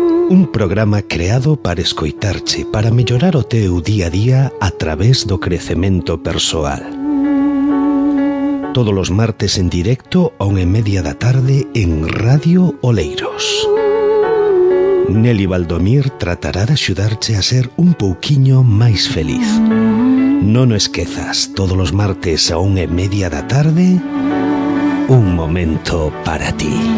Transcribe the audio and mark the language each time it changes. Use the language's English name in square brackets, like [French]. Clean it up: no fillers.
[Galician] Un programa creado para escoitarche, para mellorar o teu día a día a través do crecemento persoal. [Spanish] Todos los martes en directo, 1:30 PM en Radio Oleiros. [Galician] Nelly Baldomir tratará de axudarche a ser un pouquiño máis feliz. Non o esquezas, [Spanish] todos los martes [Galician] a 1:30 PM, un momento para ti.